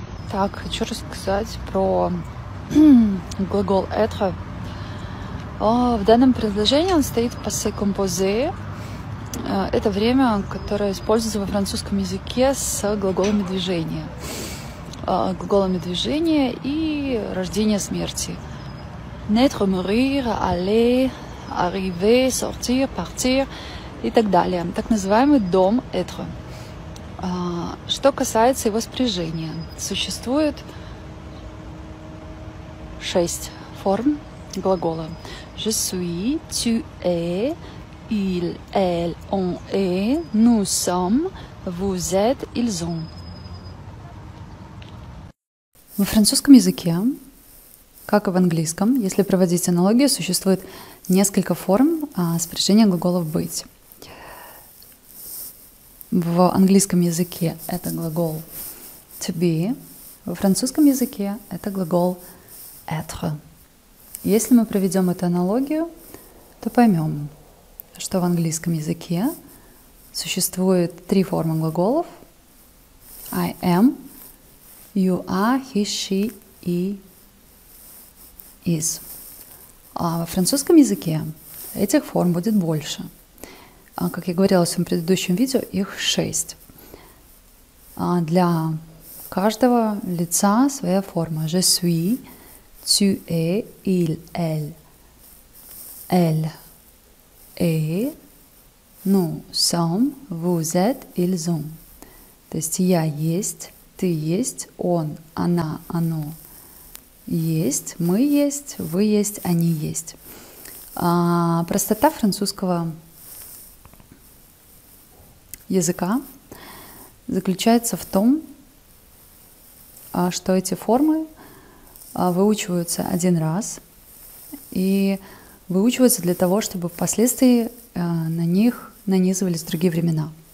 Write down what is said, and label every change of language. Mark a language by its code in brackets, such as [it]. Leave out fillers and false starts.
[ru] Так, хочу рассказать про глагол être. В данном предложении он стоит passé composé. Это время, которое используется во французском языке с глаголами движения. Глаголами движения и рождения смерти. [fr] Naître, mourir, aller, arriver, sortir, partir [ru] и так далее. Так называемый дом être. Что касается его спряжения, существует 6 форм глагола. [fr] Je suis, tu es, il, elle, on est, nous sommes, vous êtes, ils ont. [ru] Во французском языке, как и в английском, если проводить аналогию, существует несколько форм спряжения глаголов «быть». В английском языке это глагол to be, во французском языке это глагол être. Если мы проведем эту аналогию, то поймем, что в английском языке существует 3 формы глаголов [en] I am, you are, he, she [ru] и is. А во французском языке этих форм будет больше. Как я говорила в своем предыдущем видео, их 6. Для каждого лица своя форма. [fr] Je suis, tu es, il, elle, elle, et, nous sommes, vous êtes, ils ont. [ru] То есть я есть, ты есть, он, она, оно есть, мы есть, вы есть, они есть. Простота французского языка заключается в том, что эти формы выучиваются один раз и выучиваются для того, чтобы впоследствии на них нанизывались другие времена.